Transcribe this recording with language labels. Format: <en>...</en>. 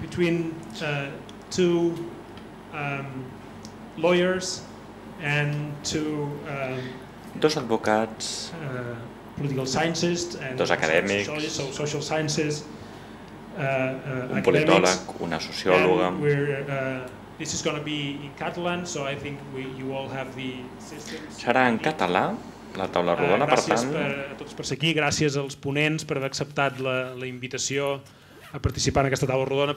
<en>Between two lawyers and two</en> <ca>dos advocats,</ca> <en>political scientists and</en> <ca>dos acadèmics,</ca> <en>social sciences,</en> <ca>un politòleg, una sociòloga.</ca> <en>This is going to be in Catalan, so I think you all have the systems.</en> <ca>Serà en català la taula rodona, per tant. Gràcies a tots per ser aquí, gràcies als ponents per haver acceptat la invitació a participar en aquesta taula rodona.</ca>